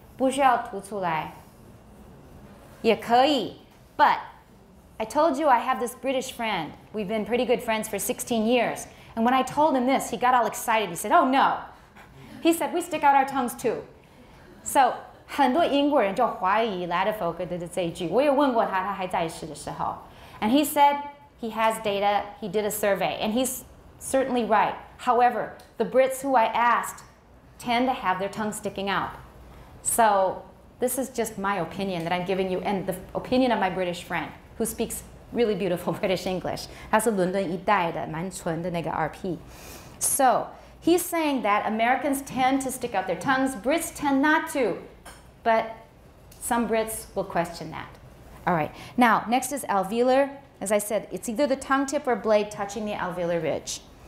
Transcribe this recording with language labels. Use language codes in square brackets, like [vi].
[zh] 不需要吐出来，也可以。 [en] But I told you I have this British friend. We've been pretty good friends for 16 years. And when I told him this, he got all excited. He said, oh no. He said, we stick out our tongues too. So [zh] 很多英国人就怀疑 Latifoka 的这一句。我也问过他，他还在世的时候。 [en] And he said he has data, he did a survey, and he's certainly right. However, the Brits who I asked tend to have their tongue sticking out. So this is just my opinion that I'm giving you and the opinion of my British friend who speaks really beautiful British English. [zh] 他是伦敦一带的蛮纯的那个 RP. [en] So he's saying that Americans tend to stick out their tongues, Brits tend not to, but some Brits will question that. All right, now next is alveolar. As I said, it's either the tongue tip or blade touching the alveolar ridge.